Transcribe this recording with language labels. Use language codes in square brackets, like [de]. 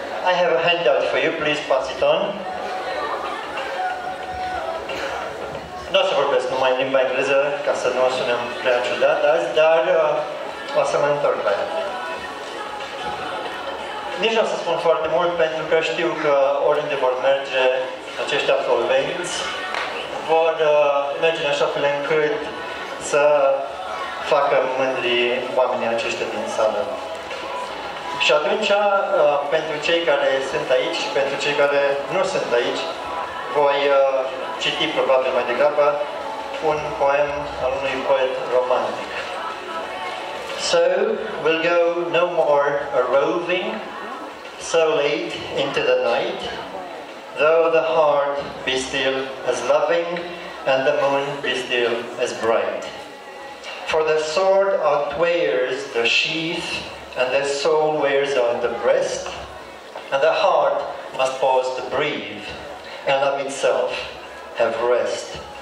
[en] I have a handout for you, please pass it on. [ro] Nu o să vorbesc numai în limba engleză, ca să nu o sunem prea ciudat azi, dar o să mă întorc la ea. Nici nu o să spun foarte mult, pentru că știu că oriunde vor merge acești absolvenți, vor merge în așa fel încât să facă mândri oamenii aceștia din sală. Și atunci, pentru cei care sunt aici și pentru cei care nu sunt aici, voi citi probabil mai degrabă un poem al unui poet romantic. [en] So, we'll go no more a-roving, so late into the night, though the heart be still as loving and the moon be still as bright. For the sword outwears the sheath and the soul wears on the breast, and the heart must pause to breathe and of itself have rest.